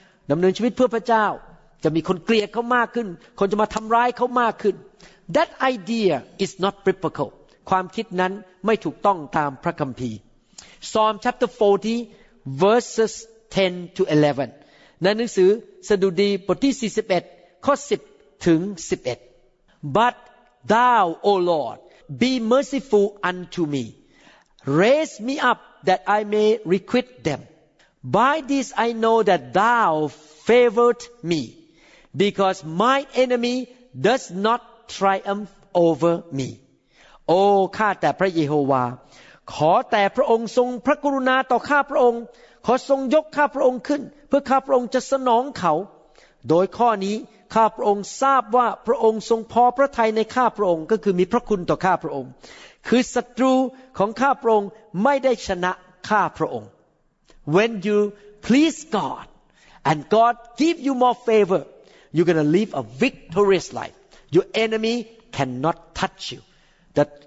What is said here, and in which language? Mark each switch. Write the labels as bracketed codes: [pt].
[th] ดำเนินชีวิตเพื่อพระเจ้าจะมีคนเกลียดเขามากขึ้นคนจะมาทำร้ายเขามากขึ้น [en] That idea is not biblical [th] ความคิดนั้นไม่ถูกต้องตามพระคัมภีร์ [en] Psalm chapter 40 verses 10 to 11 [th] ในหนังสือสดุดีบทที่41ข้อ10ถึง11 [en] But thou O Lord be merciful unto me raise me upThat I may requite them. By this I know that thou favored me, because my enemy does not triumph over me. [th] โอ้ข้าแต่พระเยโฮวาขอแต่พระองค์ทรงพระกรุณาต่อข้าพระองค์ขอทรงยกข้าพระองค์ขึ้นเพื่อข้าพระองค์จะสนองเขา โดยข้อนี้ข้าพระองค์ทราบว่าพระองค์ทรงพอพระทัยในข้าพระองค์ก็คือมีพระคุณต่อข้าพระองค์คือศัตรูของข้าพระองค์ไม่ได้ชนะข้าพระองค์ [en] When you please God and God give you more favor you're going to live a victorious life your enemy cannot touch you the